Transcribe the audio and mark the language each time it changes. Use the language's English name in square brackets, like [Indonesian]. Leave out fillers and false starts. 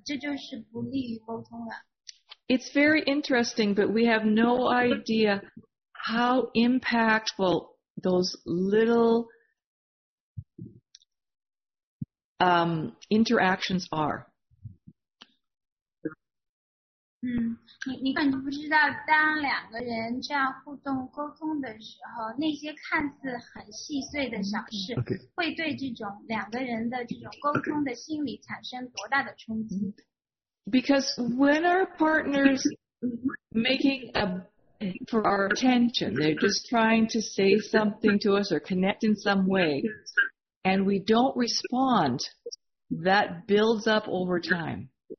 [Chinese] 就比如说对方要跟我说一件什么事情的时候，然后我就走来走去，然后看手机，然后去东瞧瞧，西望望，就是满不在乎的那个样子，这就是不利于沟通了。 [English] It's very interesting, but we have no idea how impactful those little interactions are. [Chinese] 你根本就不知道，当两个人这样互动沟通的时候，那些看似很细碎的小事，会对这种两个人的这种沟通的心理产生多大的冲击。 [English] Because when our partner's making a for our attention, they're just trying to say something to us or connect in some way, and we don't respond, that builds up over time.